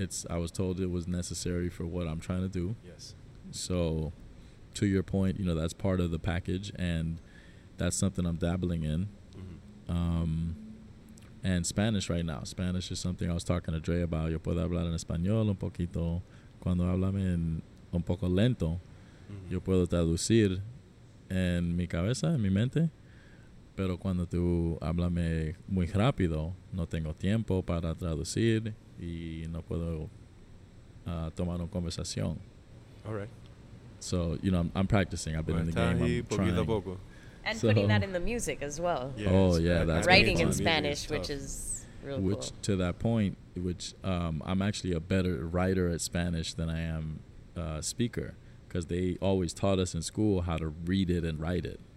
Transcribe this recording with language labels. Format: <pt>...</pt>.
<en>I was told it was necessary for what I'm trying to do. Yes. So, to your point, you know, that's part of the package, and that's something I'm dabbling in. Mm-hmm. And Spanish right now. Spanish is something I was talking to Dre about.</en> <es>Yo puedo hablar en español un poquito. Cuando hablame en un poco lento, yo puedo traducir en mi cabeza, en mi mente. Pero cuando tú hablame muy rápido, no tengo tiempo para traducir y no puedo tomar una conversación.</es> <en>All right. So, you know, I'm practicing. I've been in the game. I'm trying.</en> <es>Poquito.</es> <en>And so, putting that in the music as well. Yeah, oh, yeah. That's writing in Spanish, which is real which, cool. To that point, which I'm actually a better writer at Spanish than I am speaker because they always taught us in school how to read it and write it.</en>